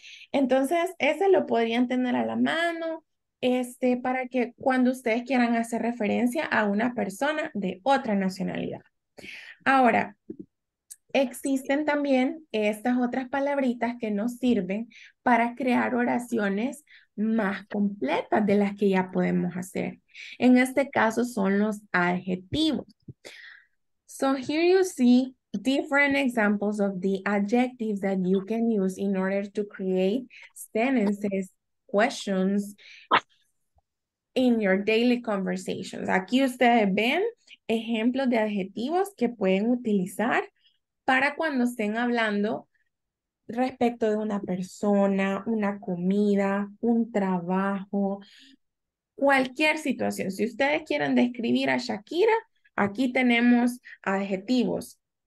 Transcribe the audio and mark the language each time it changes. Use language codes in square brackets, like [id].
[es] Entonces, ese lo podrían tener a la mano, para que cuando ustedes quieran hacer referencia a una persona de otra nacionalidad. Ahora, existen también estas otras palabritas que nos sirven para crear oraciones más completas de las que ya podemos hacer. En este caso son los adjetivos. [en] So here you see different examples of the adjectives that you can use in order to create sentences, questions in your daily conversations. [es] Aquí ustedes ven ejemplos de adjetivos que pueden utilizar para cuando estén hablando respecto de una persona, una comida, un trabajo, cualquier situación. Si ustedes quieren describir a Shakira, aquí tenemos adjetivos.